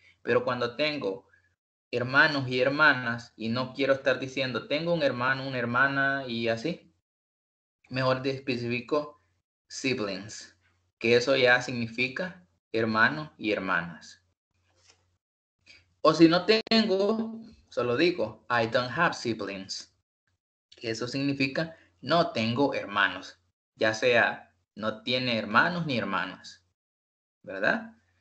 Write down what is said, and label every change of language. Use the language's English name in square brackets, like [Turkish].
[Spanish] Pero cuando tengo hermanos y hermanas y no quiero estar diciendo tengo un hermano, una hermana y así, mejor especifico siblings, que eso ya significa hermano y hermanas. O si no tengo, solo digo [English] I don't have siblings. [Spanish] Eso significa no tengo hermanos, ya sea no tiene hermanos ni hermanas, ¿verdad?